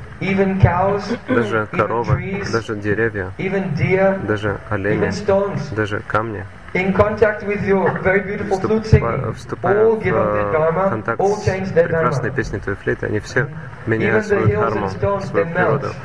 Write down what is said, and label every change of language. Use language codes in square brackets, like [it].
[ru] Даже коровы, даже деревья, даже олени, даже камни, [en] in contact with your very beautiful flute singing, all give up their dharma, all change their dharma. [ru] Прекрасные песни твоей флейты, они все меняют свою дхарму, свою природу.